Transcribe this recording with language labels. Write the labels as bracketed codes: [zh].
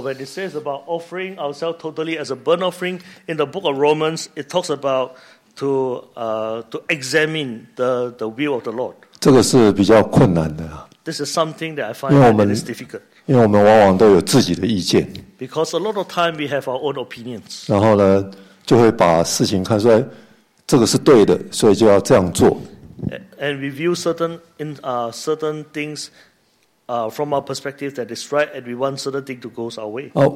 [en] when it says about offering ourselves totally as a burnt offering in the book of Romans, it talks about to examine the will of the Lord. [zh] 这个是比较困难的。 [en] This is something that I find that is difficult. [zh] 因为我们往往都有自己的意见。 [en] Because a lot of time we have our own opinions. [zh] 然后呢，就会把事情看出来，这个是对的，所以就要这样做。 [en] And we view certain things from our perspective that is right, and we want certain thing to go our way.